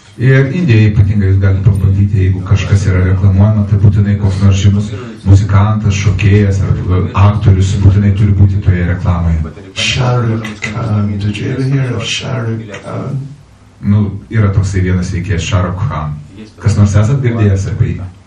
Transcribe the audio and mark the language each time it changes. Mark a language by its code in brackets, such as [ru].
[lt] Ir Indijoje ypatingai jūs galite pabandyti, jeigu kažkas yra reklamuojama, tai būtinai koks nors žymus muzikantas, šokėjas ar aktorius būtinai turi būti toje reklamoje. [en] Shahrukh Khan, did you ever hear of Shahrukh Khan? [lt] Nu, yra toksai vienas veikėjas, Shahrukh Khan. Kas nors esat girdėjęs apie jį?